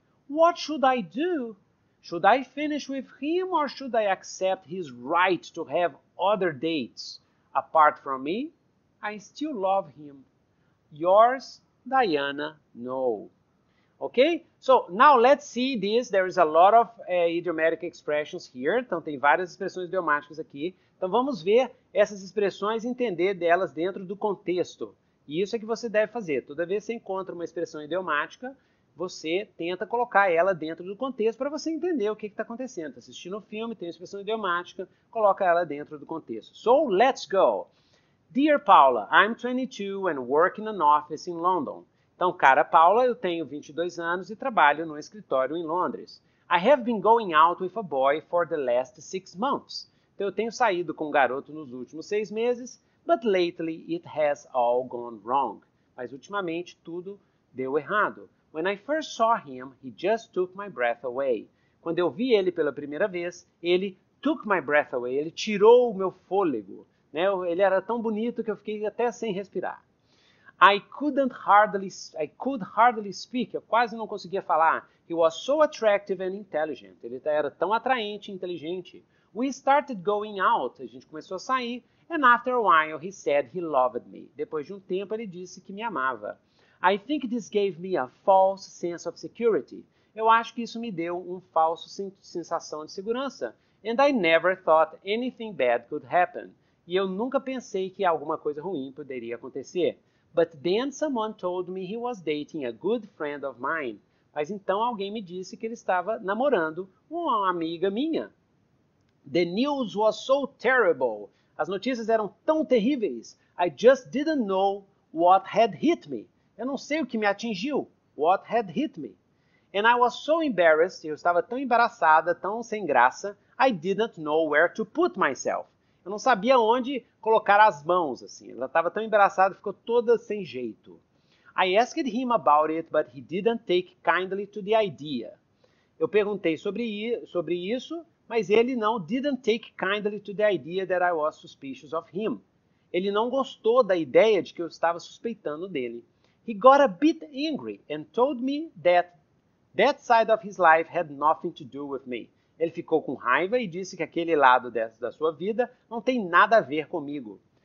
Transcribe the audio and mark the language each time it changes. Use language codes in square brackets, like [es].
[en] What should I do? Should I finish with him or should I accept his right to have other dates apart from me? I still love him. Yours, Diana Noh. Okay? So now let's see this. There is a lot of idiomatic expressions here. [pt] Então tem várias expressões idiomáticas aqui. Então vamos ver essas expressões, entender delas dentro do contexto. E isso é que você deve fazer. Toda vez que você encontra uma expressão idiomática, você tenta colocar ela dentro do contexto para você entender o que está acontecendo. Está assistindo um filme, tem uma expressão idiomática, coloca ela dentro do contexto. [en] So let's go. Dear Paula, I'm 22 and work in an office in London. [pt] Então, cara Paula, eu tenho 22 anos e trabalho num escritório em Londres. [en] I have been going out with a boy for the last 6 months. [pt] Então, eu tenho saído com um garoto nos últimos 6 meses, [en] but lately it has all gone wrong. [pt] Mas ultimamente tudo deu errado. [en] When I first saw him, he just took my breath away. [pt] Quando eu vi ele pela primeira vez, ele [en] took my breath away, [pt] ele tirou o meu fôlego, né? Ele era tão bonito que eu fiquei até sem respirar. [en] I could hardly speak. [pt] Eu quase não conseguia falar. [en] He was so attractive and intelligent. [pt] Ele era tão atraente e inteligente. [en] We started going out. [pt] A gente começou a sair. [en] And after a while, he said he loved me. [pt] Depois de um tempo, ele disse que me amava. [en] I think this gave me a false sense of security. [pt] Eu acho que isso me deu um falso sensação de segurança. [en] And I never thought anything bad could happen. [pt] E eu nunca pensei que alguma coisa ruim poderia acontecer. [en] But then someone told me he was dating a good friend of mine. [pt] Mas então alguém me disse que ele estava namorando uma amiga minha. [en] The news was so terrible. [pt] As notícias eram tão terríveis. [en] I just didn't know what had hit me. [pt] Eu não sei o que me atingiu. [en] What had hit me? And I was so embarrassed. [pt] Eu estava tão embaraçada, tão sem graça. [en] I didn't know where to put myself. [pt] Eu não sabia onde colocar as mãos, assim. Ela estava tão embaraçada, ficou toda sem jeito. [en] I asked him about it, but he didn't take kindly to the idea. [pt] Eu perguntei sobre isso, mas ele não [en] didn't take kindly to the idea that I was suspicious of him. [pt] Ele não gostou da ideia de que eu estava suspeitando dele. [en] He got a bit angry and told me that side of his life had nothing to do with me. [pt] Ele ficou com raiva e disse que aquele lado da sua vida não tem nada a ver comigo.